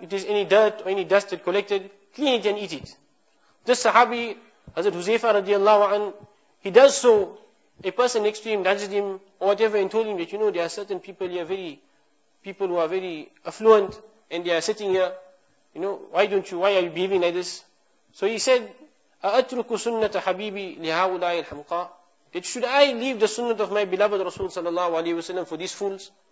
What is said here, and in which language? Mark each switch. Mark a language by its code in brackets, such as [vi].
[en] If there's any dirt or any dust that collected, clean it and eat it. This Sahabi, Hazrat Huzaifa radiallahu anhu, he does so. A person next to him nudged him or whatever and told him that, you know, there are certain people here people who are very affluent and they are sitting here, you know, why are you behaving like this? So he said, [ar] أَأَتْرُكُ سُنَّةَ حَبِيبِي لِهَاوُلَاءِ الْحَمْقَى. [en] That should I leave the sunnah of my beloved Rasul sallallahu alayhi wa sallam for these fools?